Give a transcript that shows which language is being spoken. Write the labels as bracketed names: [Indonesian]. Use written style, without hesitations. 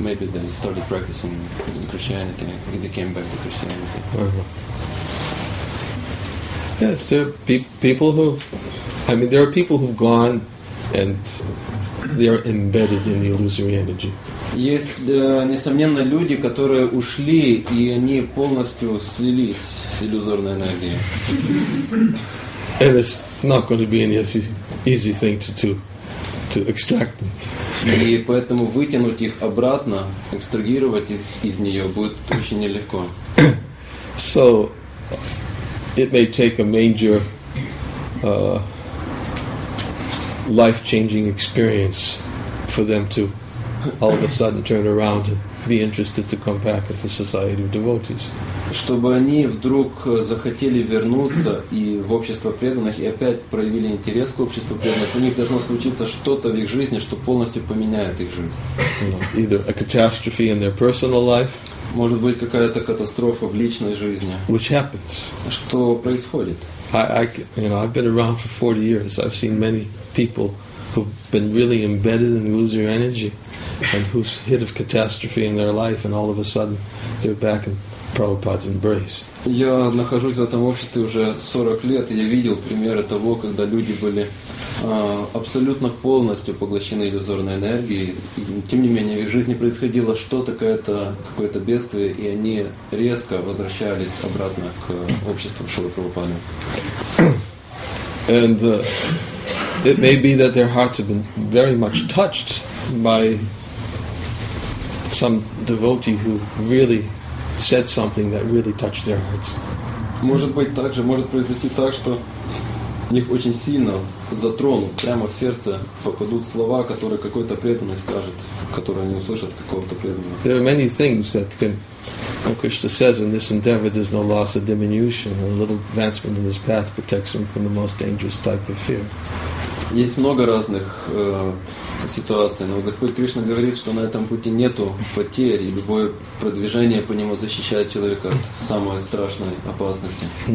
[English] maybe they started practicing Christianity and they came back to Christianity. Uh-huh. Yes, there are people who, I mean, there are people who've gone and they are embedded in the illusory energy. [Russian] Есть, несомненно, люди, которые ушли, и они полностью слились с иллюзорной энергией. [English] And it's not going to be an easy thing to extract them. [Russian] И поэтому вытянуть их обратно, экстрагировать их из нее, будет очень нелегко. [English] So, it may take a major life-changing experience for them to all of a sudden turn around and be interested to come back at the Society of Devotees. [Russian] Чтобы они вдруг захотели вернуться и в общество преданных и опять проявили интерес к обществу преданных, у них должно случиться что-то в их жизни, что полностью поменяет их жизнь. [English] Either a catastrophe in their personal life. [Russian] Может быть, какая-то катастрофа в личной жизни. [English] Which happens. [Russian] Что происходит? [English] I've been around for 40 years. I've seen many people who've been really embedded in illusory energy. And who's hit of catastrophe in their life, and all of a sudden they're back in Prabhupada's embrace. [Russian] Я нахожусь в этом обществе уже 40 лет, и я видел примеры того, когда люди были абсолютно полностью поглощены иллюзорной энергией. И, тем не менее, в их жизни происходило что-то, какое-то бедствие, и они резко возвращались обратно к обществу Шрилы Прабхупады. [English] And it may be that their hearts have been very much touched by some devotee who really said something that really touched their hearts. [Russian] Может быть также, может произойти так, что их очень сильно затронут, прямо в сердце попадут слова, которые какой-то преданный скажет, которые они услышат какого-то преданного. [English] There are many things that can, like Krishna says, in this endeavor there's no loss of diminution, and a little advancement in this path protects him from the most dangerous type of fear. [Russian] Есть много разных ситуаций, но Господь Кришна говорит, что на этом пути нету потерь, и любое продвижение по нему защищает человека от самой страшной опасности.